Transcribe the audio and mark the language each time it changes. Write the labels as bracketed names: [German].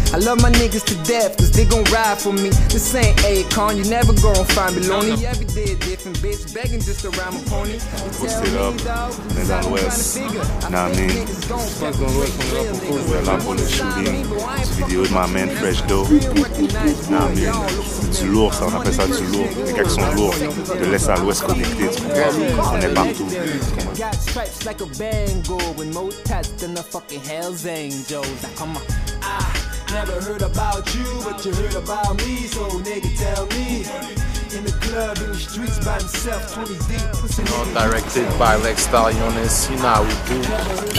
[English] I love my niggas to death, cause they gon' ride for me. This ain't Akon, you never gon' find me lonely. Every day a different bitch, begging just to ride my pony. Post it up, nigga West, nah man. Well, I'm gonna shoot in this video with my man Fresh Doe. [French] Nah man, c'est du lourd ça, on appelle ça du lourd. Les gars qui sont lourds, de l'Est à l'Ouest connecté, on est partout. [English] Got stripes like a bangle with more tats than the fucking Hell's Angels. Now come on. I never heard about you, but you heard about me. So nigga, tell me. In the club, in the streets by himself, 20 deep pussy. You know, directed by Lex Stallionis, you know how we do.